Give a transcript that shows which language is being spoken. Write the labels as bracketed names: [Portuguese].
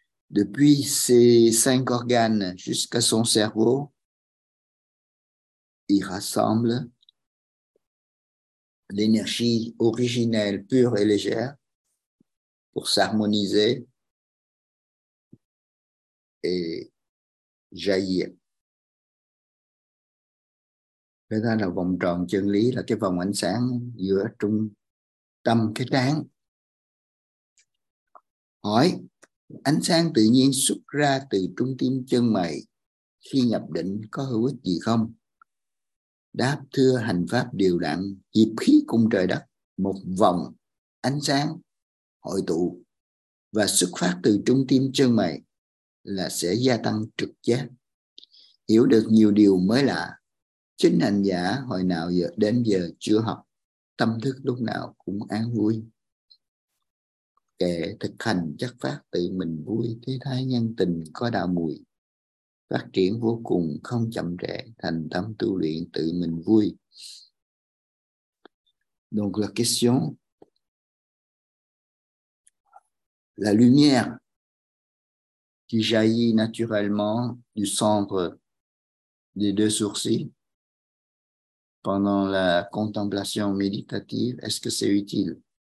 [French] Depuis ses cinq organes jusqu'à son cerveau, il rassemble l'énergie originelle pure et légère pour s'harmoniser et jaillir. [Vietnamese] Thế ra là vòng tròn chân lý là cái vòng ánh sáng giữa trung tâm cái trán. Hỏi, ánh sáng tự nhiên xuất ra từ trung tâm chân mày khi nhập định có hữu ích gì không? Đáp, thưa, hành pháp điều đặn, nhịp khí cùng trời đất, một vòng ánh sáng hội tụ và xuất phát từ trung tâm chân mày là sẽ gia tăng trực giác, hiểu được nhiều điều mới lạ. Chính hành giả hồi nào giờ đến giờ chưa học, tâm thức lúc nào cũng an vui. Kể thực hành chất phát tự mình vui, thế thái nhân tình có đạo mùi. Phát triển vô cùng không chậm trễ, thành tâm tu luyện tự mình vui. [French] Donc la question, la lumière qui jaillit naturellement du centre des deux sourcils pendant la contemplation méditative, est-ce que c'est utile?